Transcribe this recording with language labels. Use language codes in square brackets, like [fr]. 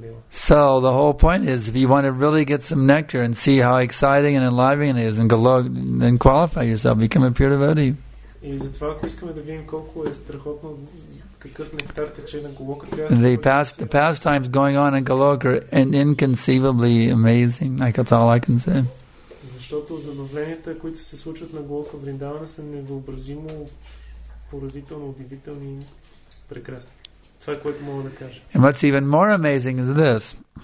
[en] So the whole point is, if you want to really get some nectar and see how exciting and enlivening it is, and then qualify yourself, become a pure devotee. The pastimes going on in Goloka are inconceivably amazing. Like, that's all I can say. [bg] Защото забавленията, които се случват на Голока Вриндавана, са невъобразимо поразително, удивителни и прекрасни. Това е което мога да кажа. [en] And what's even more amazing is this.